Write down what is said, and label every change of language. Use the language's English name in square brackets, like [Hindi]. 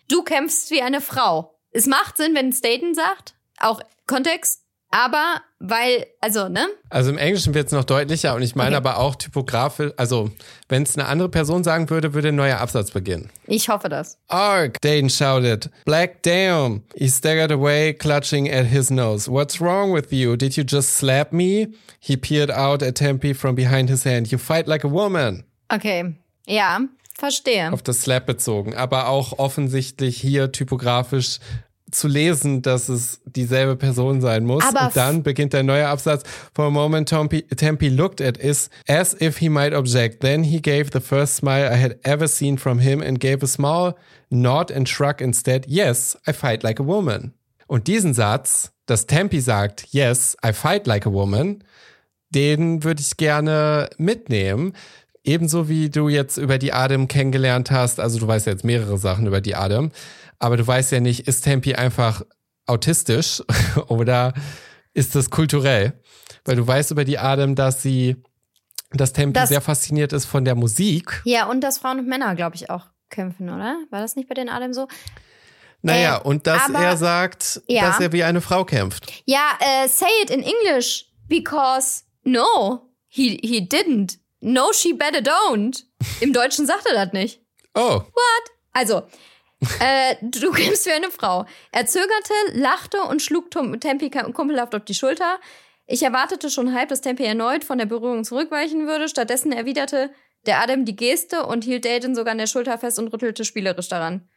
[German] Du kämpfst wie eine Frau. Es macht Sinn, wenn es Dayden sagt, auch Kontext, aber weil, also, ne? Also im Englischen wird es noch deutlicher und ich meine okay aber auch typografisch, also wenn es eine andere Person sagen würde, würde ein neuer Absatz beginnen. Ich hoffe das. [English] Ark, Dayden shouted. Black damn. He staggered away, clutching at his nose. What's wrong with you? Did you just slap me? He peered out at Tempi from behind his hand. You fight like a woman. [German] Okay, ja, verstehe. Auf das Slap bezogen, aber auch offensichtlich hier typografisch zu lesen, dass es dieselbe Person sein muss. Aber und dann beginnt der neue Absatz. [English] For a moment Tempi looked at is as if he might object. Then he gave the first smile I had ever seen from him and gave a small nod and shrug instead. Yes, I fight like a woman. [German] Und diesen Satz, dass Tempi sagt, [English] yes, I fight like a woman, [German] den würde ich gerne mitnehmen. Ebenso wie du jetzt über die Adam kennengelernt hast. Also du weißt ja jetzt mehrere Sachen über die Adam. Aber du weißt ja nicht, ist Tempi einfach autistisch oder ist das kulturell? Weil du weißt über die Adam, dass Tempi sehr fasziniert ist von der Musik. Ja, und dass Frauen und Männer, glaube ich, auch kämpfen, oder? War das nicht bei den Adam so? Naja, und dass aber, er sagt, ja, dass er wie eine Frau kämpft. [English] Ja, say it in English, because no, he didn't. No, she better don't. [German] Im Deutschen sagt er das nicht. Oh. [English] What? [German] Also, du kämpfst wie eine Frau. Er zögerte, lachte und schlug Tempi kumpelhaft auf die Schulter. Ich erwartete schon halb, dass Tempi erneut von der Berührung zurückweichen würde. Stattdessen erwiderte der Adam die Geste und hielt Dayton sogar an der Schulter fest und rüttelte spielerisch daran.